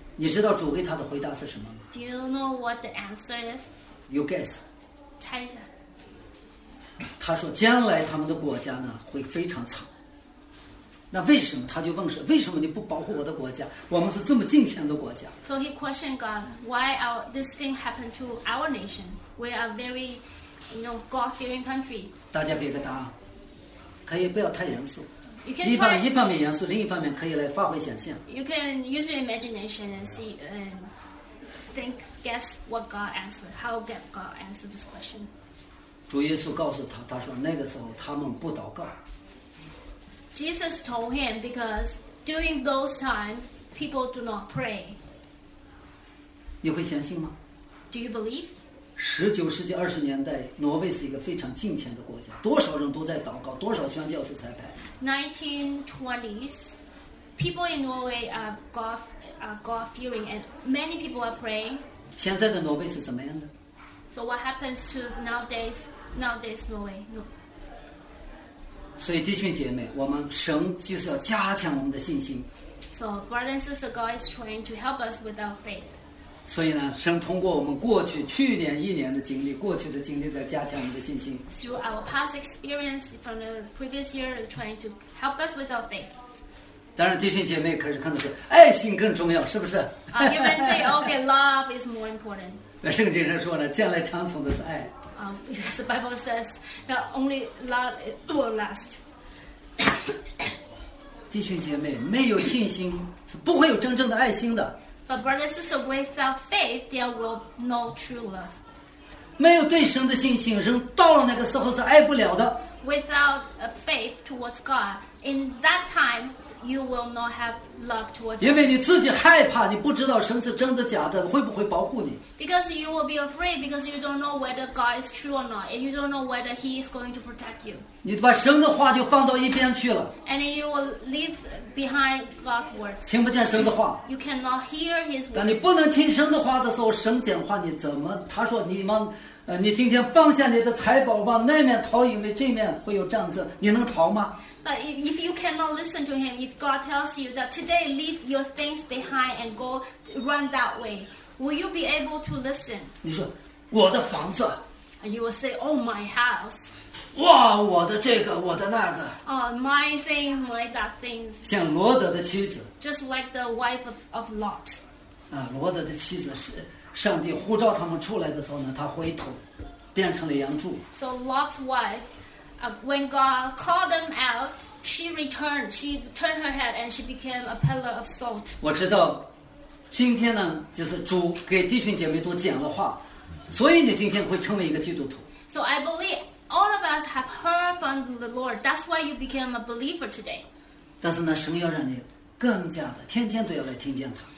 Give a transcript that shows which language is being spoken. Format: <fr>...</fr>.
<zh>你知道主给他的回答是什么吗？</zh> <en>Do you know what the answer is? You guess.</en> <zh>猜一下。他说将来他们的国家呢会非常惨。那为什么？他就问说，为什么你不保护我的国家？我们是这么敬虔的国家。</zh> <en>So he questioned God, why this thing happened to our nation? We are very, you know, God-fearing country.</en> <zh>大家给个答案，可以不要太严肃。</zh> <en>Try,</en> <zh>一方面严肃，另一方面可以来发挥想象。</zh> <en>You can use your imagination and see and think, guess what God answered, how God answered this question.</en> <zh>主耶稣告诉他，他说那个时候他们不祷告。</zh> <en>Jesus told him because during those times people do not pray.</en> <zh>你会相信吗</zh> <en>？Do you believe?</en> <zh>十九世纪二十年代，挪威是一个非常敬虔的国家，多少人都在祷告，多少宣教士裁判。</zh> <en>1920s, people in Norway are God-fearing, and many people are praying.</en> <zh>现在的挪威是怎么样的</zh> <en>？So what happens to nowadays Norway? No.</en> <zh>所以弟兄姐妹，我们神就是要加强我们的信心。</zh> <en>So brothers and sisters, God is trying to help us with our faith.</en> <zh>所以呢，神通过我们过去去年一年的经历，过去的经历，在加强我们的信心。</zh> <en>Through our past experience from the previous year, trying to help us with our faith.</en> <zh>当然，弟兄姐妹可是看到说，爱心更重要，是不是？</zh> <en>You may say, okay, love is more important.</en> <zh>那圣经上说呢，将来长存的是爱。</zh> <en>Because the Bible says that only love will last.</en> <zh>弟兄姐妹，没有信心是不会有真正的爱心的。</zh> <en>But brothers and sisters, without faith, there will no true love.</en> <zh>没有对神的信心，人到了那个时候是爱不了的。</zh> <en>Without a faith towards God, in that time, you will not have love towards God.</en> <zh>因为你自己害怕，你不知道神是真的假的，会不会保护你</zh> <en>？Because you will be afraid, because you don't know whether God is true or not, and you don't know whether He is going to protect you.</en> <zh>你把神的话就放到一边去了。</zh> <en>And you will leave behind God's word.</en> <zh>听不见神的话。</zh> <en>You cannot hear His word.</en> <zh>但你不能听神的话的时候，神讲话你怎么？他说你们。你今天放下你的财宝往那面逃，因为这面会有战争，你能逃吗？</zh> <en>But if you cannot listen to him, if God tells you that today leave your things behind and go run that way, will you be able to listen?</en> <zh>你说我的房子，</zh> <en>and you will say, oh my house.</en> <zh>哇，我的这个，我的那个。</zh> <en>Oh, my things, my that things.</en> <zh>像罗德的妻子。</zh> <en>Just like the wife of Lot.</en> <zh>啊，罗德的妻子是。上帝呼召他们出来的时候呢，他回头，变成了羊柱。</zh> <en>So Lot's wife, when God called them out, she returned. She turned her head and she became a pillar of salt.</en> <zh>我知道，今天呢，就是主给弟兄姐妹都讲了话，所以你今天会成为一个基督徒。</zh> <en>So I believe all of us have heard from the Lord. That's why you became a believer today.</en> <zh>但是呢，神要让你更加的，天天都要来听见他。</zh>